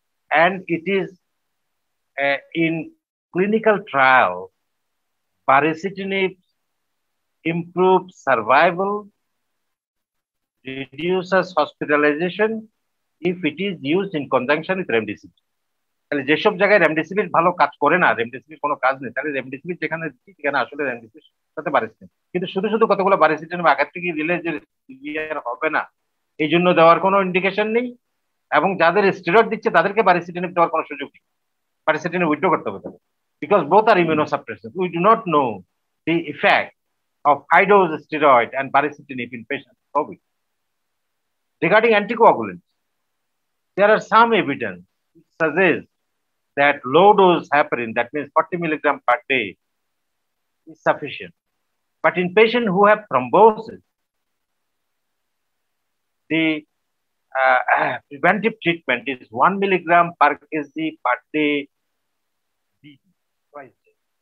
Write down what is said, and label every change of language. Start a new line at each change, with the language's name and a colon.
English: And it is in clinical trial, baricitinib improves survival, reduces hospitalization if it is used in conjunction with remdesivir.
Bangla: তাহলে যেসব জায়গায় remdesivir ভালো কাজ করে না, রেমডেসিভির কোনো কাজ নেই, তাহলে রেমডেসিভির যেখানে দিচ্ছি সেখানে আসলে রেমডেসিভির সাথে পারিসিটিন, কিন্তু শুধু শুধু কতগুলো পারিসিটিন আগে দিলে যে সিভিয়ার হবে না এই জন্য দেওয়ার কোনো ইন্ডিকেশন নেই, এবং যাদের স্টেরয়েড দিচ্ছে তাদেরকে পারিসিটিন দেওয়ার কোনো সুযোগ নেই, পারিসিটিন উইথড্রো করতে হবে তাদের,
English: Because both are immunosuppressant, we do not know the effect of high dose steroid and পারিসিটিন in patient COVID. Regarding anticoagulant, there are some evidence suggests that low dose heparin, that means 40 milligram per day, is sufficient. But in patients who have thrombosis, the preventive treatment is 1 milligram per kg per day, twice a day.